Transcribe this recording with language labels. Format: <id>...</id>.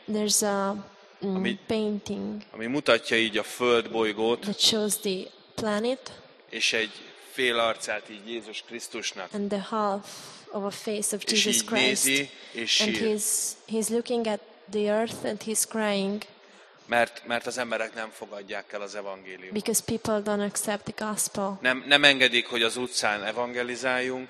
<en>There's a painting.</en> <hu>Ami mutatja így a föld bolygót.</hu> <en>That shows the planet.</en> <hu>És egy fél arcát így Jézus Krisztusnak.</hu> <en>And the half of a face of Jesus Christ.</en> <hu>És sír.</hu> <en>And he's looking at the earth and he's crying.</en> <hu>Mert az emberek nem fogadják el az evangéliumot.</hu> <en>Because people don't accept the gospel.</en> <hu>Nem engedik, hogy az utcán evangelizáljunk.</hu>